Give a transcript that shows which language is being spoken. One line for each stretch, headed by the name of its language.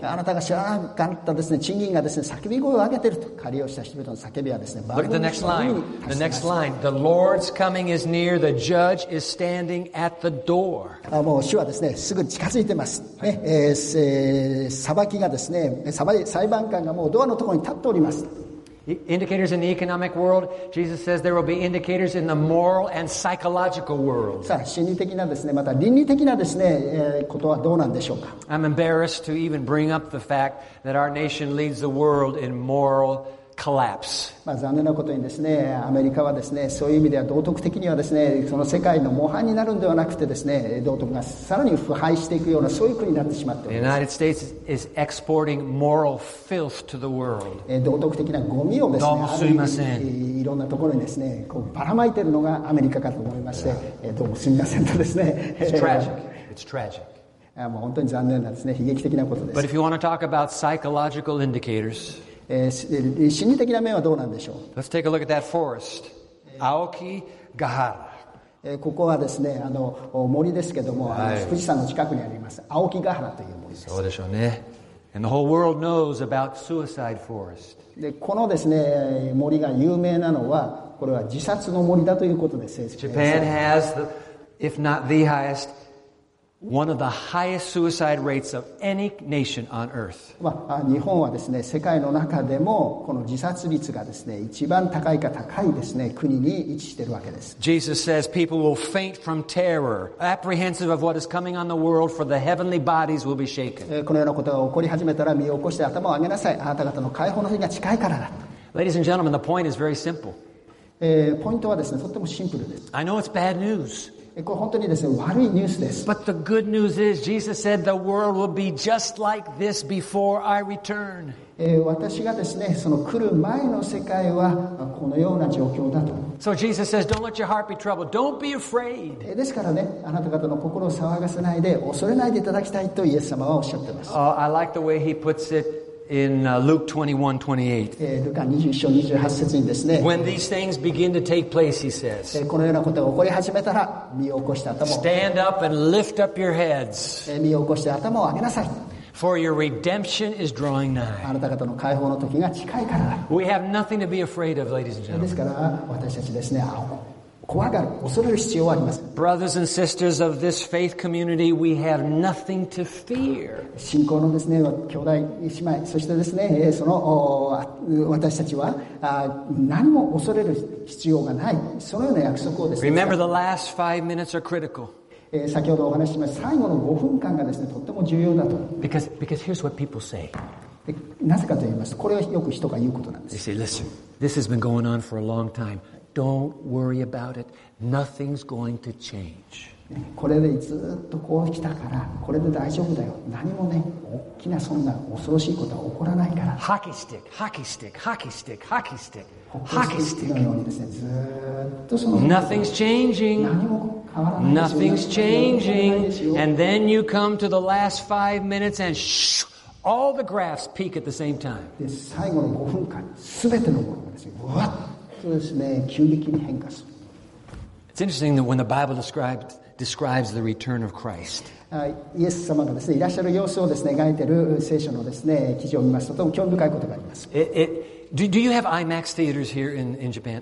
Japanese: あなたが知らなかったですね、賃金がですね、叫び声を上げていると、借りをした人々の叫びはですね、
English: Look at the next line. The next line. The Lord's coming is near. The judge is standing at the door.
Japanese: もう主はですね、すぐ近づいてます。ね、裁きがですね、裁判官がもうドアのところに立っております。
English: Indicators in the economic world, Jesus says there will be indicators in the moral and psychological world.
Japanese: さあ、心理的なですね、また倫理的なですね、ことはどうなんでしょうか。
English: I'm embarrassed to even bring up the fact that our nation leads the world in moral collapse.
Japanese: まあ、残念なことにですね、アメリカはですね、そういう意味では道徳的にはですね、その世界の模範になるのではなくてですね、道徳がさらに腐敗していくようなそういう国になってしまっております。
English: The United States is exporting moral filth to the world.
Japanese: 道徳的なゴミをですね、どうもすみません。いろんなところにですね、こうばらまいているのがアメリカかと思いまして、どうもすみませんとですね。
English: It's tragic. It's tragic.
Japanese: もう本当に残念なですね、悲劇的なことです。
English: But if you want to talk about psychological indicators,
Japanese: 心理的な面はどうなんでしょう。
English: Let's take a look at that forest. 青木ヶ原。
Japanese: ここはですね、あの森ですけども、はい、富士山の近くにあります青木ヶ原という森です。そうでしょうね。
English: And the whole world knows about suicide forest.
Japanese: でこのですね、森が有名なのはこれは自殺の森だということです。
English: Japan has the, if not the highestOne of the highest suicide rates of any nation on earth.
Japanese: 日本はですね、世界の中でもこの自殺率がですね、一番高いか高いですね、国に位置しているわけです。
English: Jesus says people will faint from terror, apprehensive of what is coming on the world, for the heavenly bodies will be shaken.
Japanese: このようなことが起こり始めたら身を起こして頭を上げなさい。あなた方の解放の日が近いからだ。
English: Ladies and gentlemen, the point is very simple.
Japanese: ポイントはですね、とってもシンプルです。
English: I know it's bad news.
Japanese: これ本当にですね、悪いニュースです。
English: But the good news is, Jesus said the world will be just like this before I return.
Japanese: 私がですね、その来る前の世界はこのような状況だと。
English: So Jesus says, don't let your heart be troubled. Don't be afraid.
Japanese: ですからね、あなた方の心を騒がせないで、恐れないでいただきたいとイエス様はおっしゃってます。
English: I like the way he puts it. In Luke 21:28,
Japanese: ルカ21章28節にですね、
English: When these things begin to take place, he says,
Japanese: このようなことが起こり始めたら、身を起こして頭を、
English: Stand up and lift up your heads,
Japanese: 身を起こして頭を上げなさい。
English: For your redemption is drawing nigh.
Japanese: あなた方の解放の時が近いから。
English: We have nothing to be afraid of, ladies and gentlemen.
Japanese: ですから、私たちですね、怖がる、恐れる必要はありません。
English: Brothers and sisters of this faith community, we have nothing to fear.
Japanese: 信仰のですね、兄弟姉妹、そしてですね、その私たちは何も恐れる必要がない。そのような約束をですね。
English: Remember, the last five minutes are critical.
Japanese: 先ほどお話ししました、最後の5分間がですね、とっても重要だと。
English: Because here's what people say.
Japanese: なぜかと言いますと、これはよく人が言うことなんです。
English: They say, listen, this has been going on for a long time. Don't worry about it. Nothing's going to change.
Japanese: これでずっとこう来たから、これで大丈夫だよ。何もね、大きなそんな恐ろしいことは起こらないから。
English: Hockey stick, hockey stick, hockey stick, hockey stick, hockey stick.
Japanese: のようにですね、ずっとその。
English: Nothing's changing.
Japanese: 何も変わらない。
English: Nothing's changing. And then you come to the last five minutes and all the graphs peak at the same time.
Japanese: で、最後の5分間、すべてのものがですね、わっ。
English: It's interesting that when the Bible describes the return of Christ,
Japanese: イエス様がですね、いらっしゃる様子をですね、描いている聖書のですね、記事を見ますと、とても興味深いことがあります。
English: Do you have IMAX theaters here in Japan?